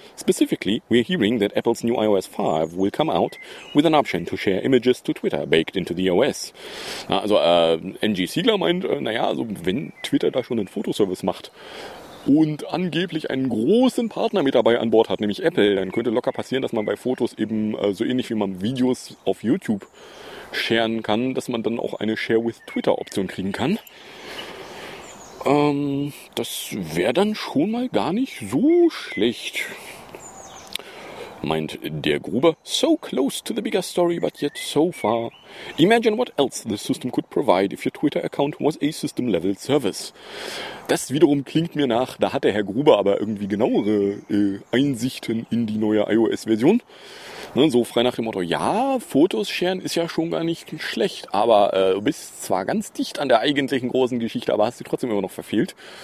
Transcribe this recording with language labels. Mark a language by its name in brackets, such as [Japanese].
[English] Specifically, we're hearing that Apple's new iOS 5 will come out with an option to share images to Twitter baked into the OS. [German] Also MG Siegler meint, naja, also wenn Twitter da schon einen Fotoservice macht, und angeblich einen großen Partner mit dabei an Bord hat, nämlich Apple, dann könnte locker passieren, dass man bei Fotos eben so ähnlich wie man Videos auf YouTube sharen kann, dass man dann auch eine Share-with-Twitter-Option kriegen kann. Das wäre dann schon mal gar nicht so schlecht, meint der Gruber. [English] So close to the bigger story, but yet so far. Imagine what else the system could provide if your Twitter account was a system-level service. [German] Das wiederum klingt mir nach, da hat der Herr Gruber aber irgendwie genauere Einsichten in die neue iOS-Version. Ne, so frei nach dem Motto, ja, Fotos sharen ist ja schon gar nicht schlecht, aber du bist zwar ganz dicht an der eigentlichen großen Geschichte, aber hast sie trotzdem immer noch verfehlt.